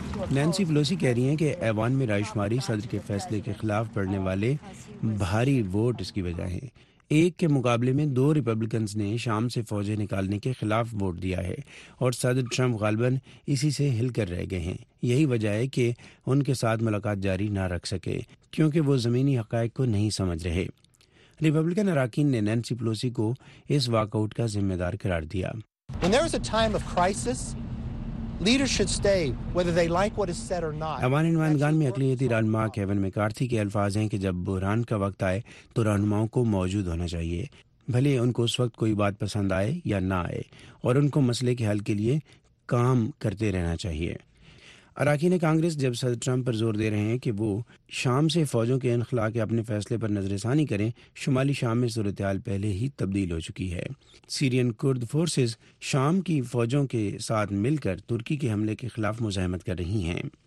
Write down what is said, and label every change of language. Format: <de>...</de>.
<ur>Nancy پلوسی کہہ رہی ہیں کہ ایوان میں رائے شماری صدر کے فیصلے کے خلاف پڑنے والے بھاری ووٹ اس کی وجہ ہیں۔ ایک کے مقابلے میں دو ریپبلکنز نے شام سے فوجیں نکالنے کے خلاف ووٹ دیا ہے اور صدر ٹرمپ غالباً اسی سے ہل کر رہ گئے ہیں۔ یہی وجہ ہے کہ ان کے ساتھ ملاقات جاری نہ رکھ سکے کیونکہ وہ زمینی حقائق کو نہیں سمجھ رہے۔ ریپبلکن اراکین نے نینسی پلوسی کو اس واک آؤٹ کا ذمہ دار قرار دیا۔</ur> <en>Leaders should stay whether they like what is said or not.</en> <ur>ایوان نمائندگان میں اقلیتی رہنما کیون میکارتھی کے الفاظ ہیں کہ جب بحران کا وقت آئے تو رہنماؤں کو موجود ہونا چاہیے، بھلے ان کو اس وقت کوئی بات پسند آئے یا نہ آئے، اور ان کو مسئلے کے حل کے لیے کام کرتے رہنا چاہیے۔ اراکین کانگریس جب صدر ٹرمپ پر زور دے رہے ہیں کہ وہ شام سے فوجوں کے انخلا کے اپنے فیصلے پر نظر ثانی کریں، شمالی شام میں صورتحال پہلے ہی تبدیل ہو چکی ہے۔ سیرین کرد فورسز شام کی فوجوں کے ساتھ مل کر ترکی کے حملے کے خلاف مزاحمت کر رہی ہیں۔</ur>